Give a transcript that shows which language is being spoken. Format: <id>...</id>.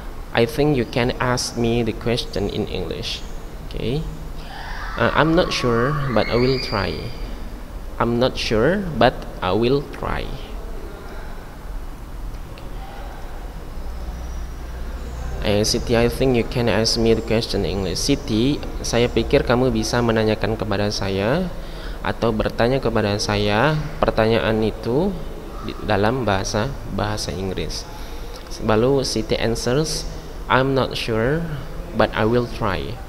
<en>I think you can ask me the question in English. Okay. I'm not sure, but I will try. I'm not sure, but I will try. Siti, I think you can ask me the question in English.</en> <id>Siti, saya pikir kamu bisa menanyakan kepada saya atau bertanya kepada saya pertanyaan itu dalam bahasa Inggris. Lalu</id> <en>Siti answers, I'm not sure, but I will try.</en>